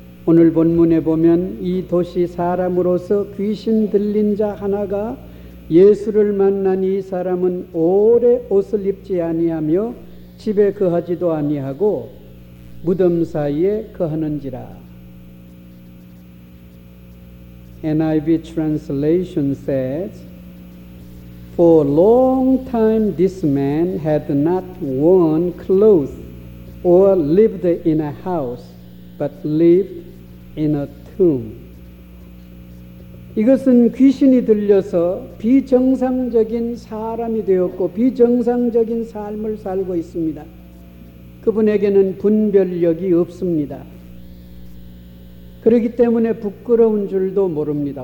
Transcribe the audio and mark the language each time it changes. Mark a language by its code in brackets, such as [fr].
[ko] 오늘 본문에 보면 이 도시 사람으로서 귀신 들린 자 하나가 예수를 만난 이 사람은 오래 옷을 입지 아니하며 집에 거하지도 아니하고 무덤 사이에 거하는지라. [en] NIV translation says, "For a long time this man had not worn clothes or lived in a house, but lived in a tomb." [ko] 이것은 귀신이 들려서 비정상적인 사람이 되었고 비정상적인 삶을 살고 있습니다. 그분에게는 분별력이 없습니다. 그렇기 때문에 부끄러운 줄도 모릅니다.